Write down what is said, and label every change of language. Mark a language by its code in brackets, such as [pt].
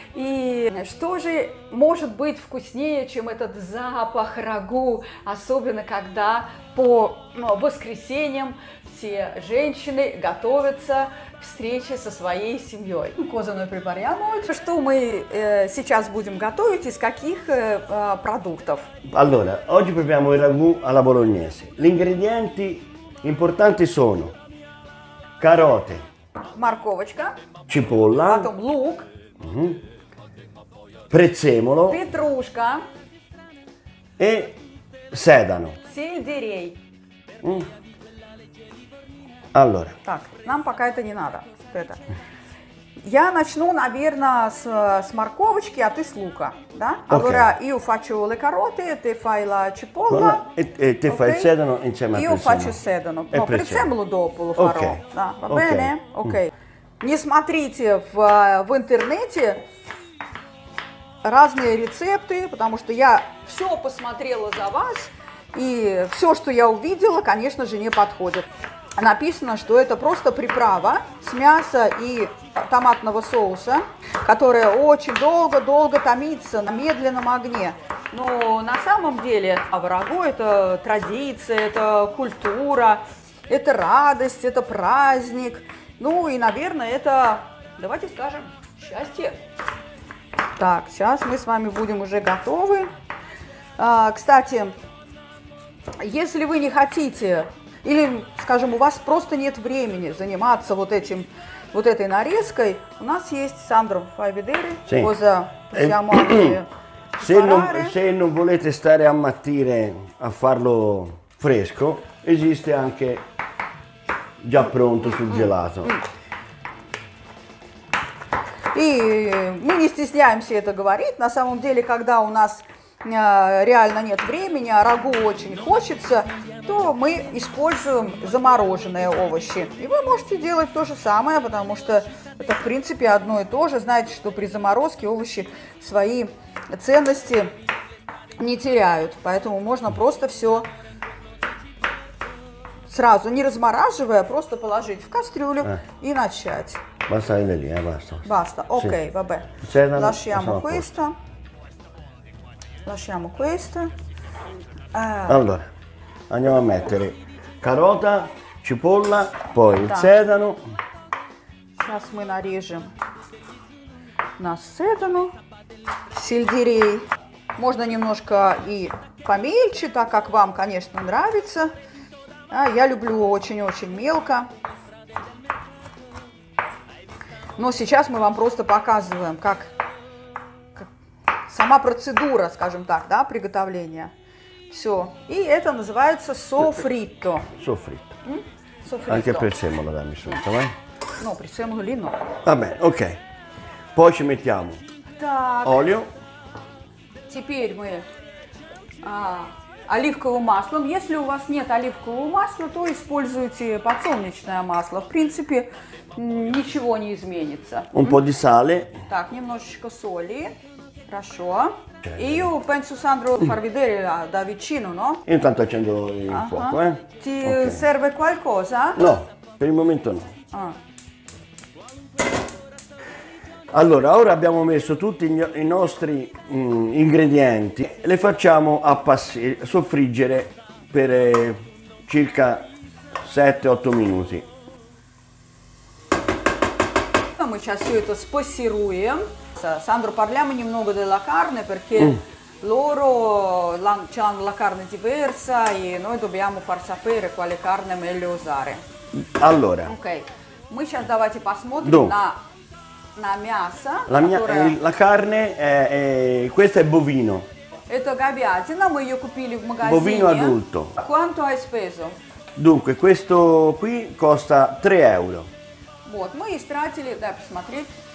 [ru] И что же может быть вкуснее, чем этот запах рагу, особенно когда по воскресеньям все женщины готовятся к встрече со своей семьей. [it] Cosa noi prepariamo? [ru] Что мы сейчас будем готовить, из каких продуктов? [it] Allora, oggi prepariamo il ragù alla bolognese. Gli ingredienti importanti sono carote, [ru] морковочка, [it] cipolla, [ru] потом лук, [it] Prezzemolo. [ru] Петрушка. [it] E sedano. [ru] Сельдерей. [it] Mm. Allora. [ru] Так, нам пока это не надо. Это. Я начну, наверное, с морковочки, а ты с лука, да? [it] Allora, okay. Io faccio le carote, te fai la cipolla. No, e te okay. fai il sedano insieme a prezzemolo. Io faccio sedano. No, prezzemolo dopo lo farò. Okay. Да, va okay. bene? Ok. Mm. [ru] Не смотрите в интернете разные рецепты, потому что я все посмотрела за вас, и все, что я увидела, конечно же, не подходит. Написано, что это просто приправа с мяса и томатного соуса, которая очень долго-долго томится на медленном огне. Но на самом деле аварагу – это традиция, это культура, это радость, это праздник. Ну и, наверное, это, давайте скажем, счастье. Так, сейчас мы с вами будем уже готовы. Кстати, если вы не хотите, или, скажем, у вас просто нет времени заниматься вот этим, вот этой нарезкой, у нас есть Сандро Фавидери, [it] sí. Коза Пасиамо и Барари. Se non volete stare a mattina a farlo fresco, esiste anche già pronto sul gelato. [ru] И мы не стесняемся это говорить. На самом деле, когда у нас реально нет времени, а рагу очень хочется, то мы используем замороженные овощи. И вы можете делать то же самое, потому что это, в принципе, одно и то же. Знаете, что при заморозке овощи свои ценности не теряют. Поэтому можно просто все сразу, не размораживая, просто положить в кастрюлю и начать. [it] Basta le linee, basta. Basta, ok, sì. Vabbè. Cena, lasciamo questo. Lasciamo questo. Allora, andiamo a mettere carota, cipolla, poi il sedano. [ru] Сейчас мы нарежем на седану. Сельдерей. Можно немножко и помельче, так как вам, конечно, нравится. Я люблю очень-очень мелко. Но сейчас мы вам просто показываем, как сама процедура, скажем так, да, приготовления. Все. И это называется софрито. Софрито. [it] Anche prezzemolo, dammi subito, vai. No, prezzemolo lì no. Va bene, ok. Poi ci mettiamo. [ru] Так. [it] Olio. [ru] Теперь мы оливковым маслом. Если у вас нет оливкового масла, то используйте подсолнечное масло. В принципе, ничего не изменится. [it] Un po' di sale. [ru] Так, немножечко соли. Хорошо. [it] Io penso Sandro farvedere da vicino, no? Intanto accendo il fuoco, eh. Ti serve qualcosa? No, per il momento no. Allora, ora abbiamo messo tutti i nostri ingredienti. Le facciamo soffriggere per circa 7-8 minuti. [ru] Мы сейчас все это спассируем. [it] Сандро, parliamo немного della carne, perché loro hanno la carne diversa e noi dobbiamo far sapere quale carne meglio usare. Allora. Ok. [ru] Мы сейчас давайте посмотрим на мясо. [it] La carne è questo è bovino. [ru] Это говядина, мы ее купили в магазине. [it] Bovino adulto. Quanto hai speso? Dunque, questo qui costa 3 euro. [ru] Вот, мы истратили, дай посмотреть.